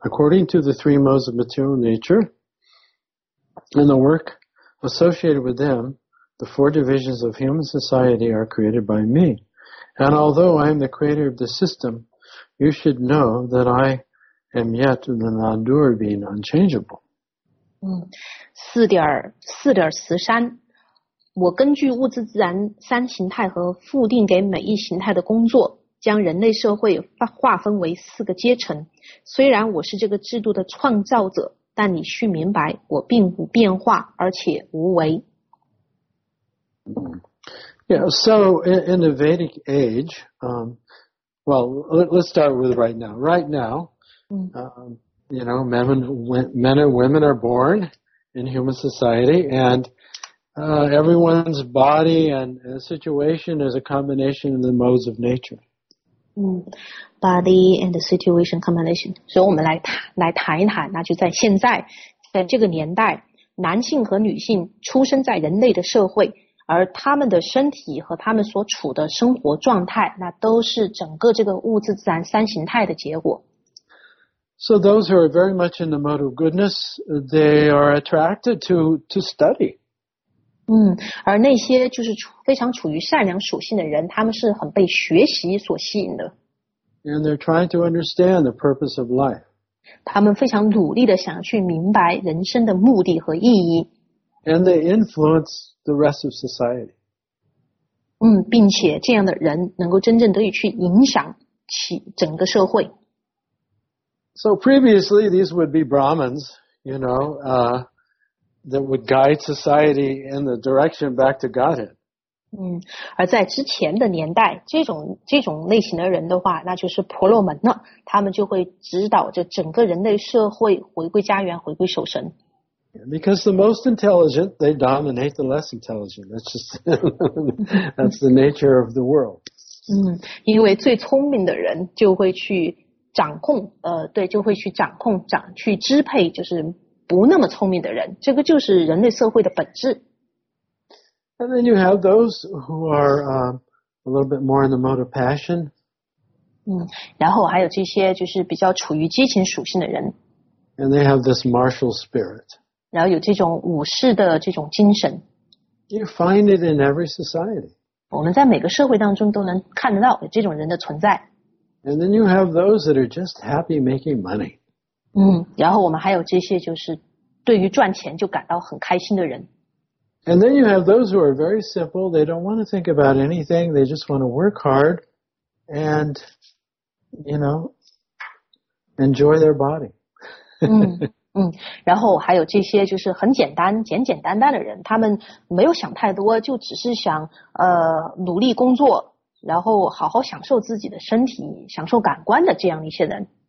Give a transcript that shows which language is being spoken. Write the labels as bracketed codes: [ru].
[en] According to the three modes of material nature and the work associated with them, the four divisions of human society are created by me. And although I am the creator of the system, you should know that I am yet the Nadur being unchangeable. 4.13. [zh] 我根据物质自然三形态和附定给每一形态的工作，将人类社会划分为四个阶层。虽然我是这个制度的创造者，但你需明白我并不变化，而且无为。 [en] Yeah, so in the Vedic age, let's start with right now. Right now, men and women are born in human society, and everyone's body and situation is a combination of the modes of nature. Body and the situation combination. [zh] So 我们来谈一谈，那就在现在，在这个年代，男性和女性出生在人类的社会。而他们的身体和他们所处的生活状态，那都是整个这个物质自然三形态的结果。 [en] So those who are very much in the mode of goodness, they are attracted to study. [zh] 而那些就是非常处于善良属性的人，他们是很被学习所吸引的。 [en] And they're trying to understand the purpose of life. [zh] 他们非常努力地想去明白人生的目的和意义。 [en] And they influence the rest of society. [zh] 并且这样的人能够真正得以去影响起整个社会。 [en] So previously, these would be Brahmins, that would guide society in the direction back to Godhead. [zh] 而在之前的年代，这种类型的人的话，那就是婆罗门了。他们就会指导着整个人类社会回归家园，回归守神。 [en] Because the most intelligent, they dominate the less intelligent. That's just that's the nature of the world. [zh] 因为最聪明的人就会去掌控，对，就会去掌控，去支配，就是不那么聪明的人。这个就是人类社会的本质。 [en] And then you have those who are a little bit more in the mode of passion. [zh] 然后还有这些就是比较处于激情属性的人。 [en] And they have this martial spirit. [zh] 然后有这种武士的这种精神。 [en] You find it in every society. [zh] 我们在每个社会当中都能看得到有这种人的存在。 [en] And then you have those that are just happy making money. [zh] 然后我们还有这些就是对于赚钱就感到很开心的人。 [en] And then you have those who are very simple. They don't want to think about anything. They just want to work hard and, enjoy their body. [zh] 然后还有这些就是很简单简简单单的人，他们没有想太多，就只是想努力工作，然后好好享受自己的身体，享受感官的这样一些人。